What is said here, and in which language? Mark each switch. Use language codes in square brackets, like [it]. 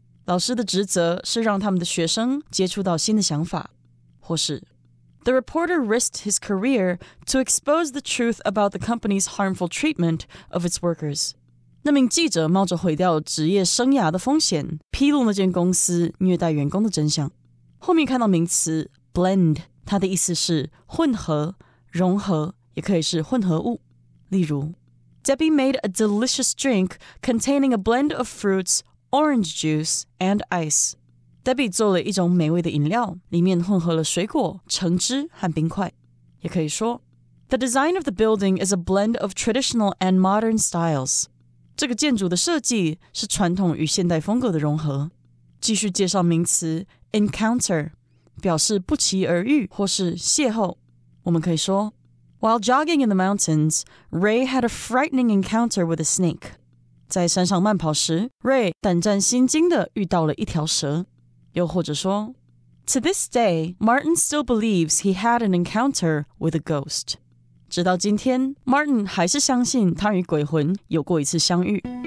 [zh] 老师的职责是让他们的学生接触到新的想法。或是, [en] The reporter risked his career to expose the truth about the company's harmful treatment of its workers. [zh] 那名记者冒着毁掉职业生涯的风险披露那间公司虐待员工的真相。后面看到名词 blend， 它的意思是混合、融合，也可以是混合物。例如 [en] ，Debbie made a delicious drink containing a blend of fruits, orange juice, and ice. [zh] Debbie 做了一种美味的饮料，里面混合了水果、橙汁和冰块。也可以说 [en] ，The design of the building is a blend of traditional and modern styles. [zh] 这个建筑的设计是传统与现代风格的融合。继续介绍名词 encounter， 表示不期而遇或是邂逅。我们可以说。 [en] While jogging in the mountains, Ray had a frightening encounter with a snake. [zh] 在山上慢跑时 ，Ray 胆战心惊地遇到了一条蛇。又或者说 [en] ，To this day, Martin still believes he had an encounter with a ghost. [zh] 直到今天 ，Martin 还是相信他与鬼魂有过一次相遇。